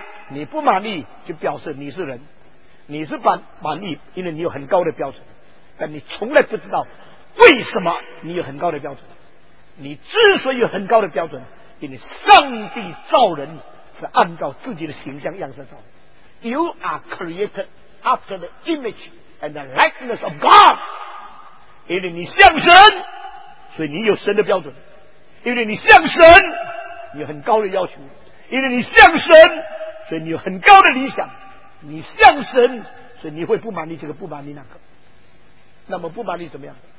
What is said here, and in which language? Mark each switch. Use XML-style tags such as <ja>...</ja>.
<zh>你不满意就表示你是人，你是满意，因为你有很高的标准，但你从来不知道为什么你有很高的标准。你之所以有很高的标准，因为上帝造人是按照自己的形象样式造的。</zh> <en>You are created after the image and the likeness of God，</en> <zh>因为你像神，所以你有神的标准，因为你像神，你有很高的要求，因为你像神，所以你有很高的理想，你像神，所以你会不满意这个，不满意那个。那么不满意怎么样？</zh>